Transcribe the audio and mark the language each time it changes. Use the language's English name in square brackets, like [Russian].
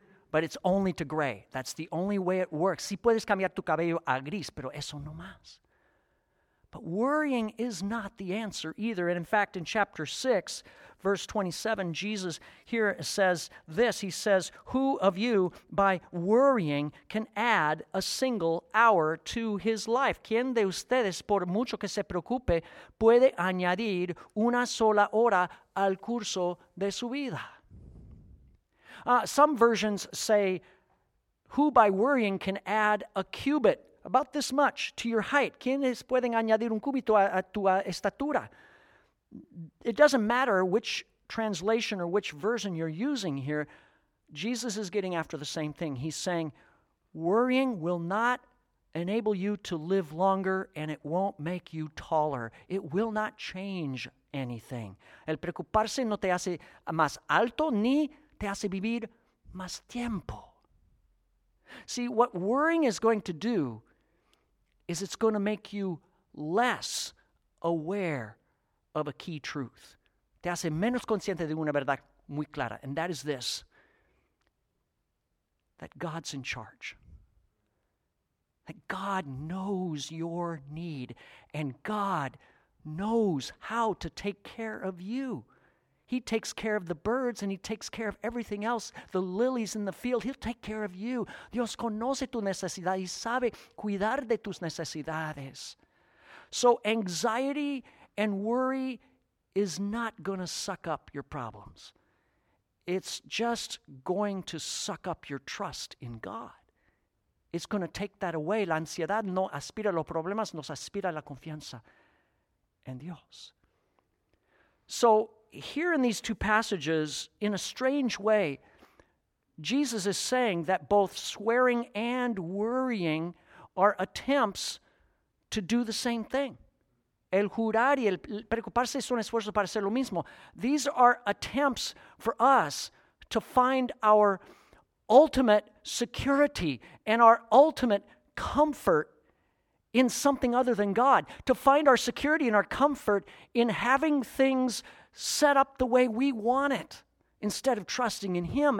[English] But it's only to gray. That's the only way it works. [Spanish] Sí puedes cambiar tu cabello a gris, pero eso no más. [English] But worrying is not the answer either. And in fact, in chapter 6, verse 27, Jesus here says this. He says, who of you by worrying can add a single hour to his life? [Spanish] ¿Quién de ustedes, por mucho que se preocupe, puede añadir una sola hora al curso de su vida? [English] Some versions say, who by worrying can add a cubit? About this much, to your height. [Spanish] ¿Quiénes pueden añadir un cúbito a tu estatura? [English] It doesn't matter which translation or which version you're using here. Jesus is getting after the same thing. He's saying, worrying will not enable you to live longer and it won't make you taller. It will not change anything. [Spanish] El preocuparse no te hace más alto ni te hace vivir más tiempo. [English] See, what worrying is going to do is it's going to make you less aware of a key truth. [Spanish] Te hace menos consciente de una verdad muy clara, [English] and that is this, that God's in charge. That God knows your need, and God knows how to take care of you. He takes care of the birds and he takes care of everything else, the lilies in the field. He'll take care of you. [Spanish] Dios conoce tu necesidad y sabe cuidar de tus necesidades. [English] So anxiety and worry is not going to suck up your problems. It's just going to suck up your trust in God. It's going to take that away. [Spanish] La ansiedad no aspira a los problemas, nos aspira a la confianza en Dios. [English] So here in these two passages, in a strange way, Jesus is saying that both swearing and worrying are attempts to do the same thing. [Spanish] El jurar y el preocuparse son esfuerzos para hacer lo mismo. [English] These are attempts for us to find our ultimate security and our ultimate comfort in something other than God. To find our security and our comfort in having things set up the way we want it, instead of trusting in him.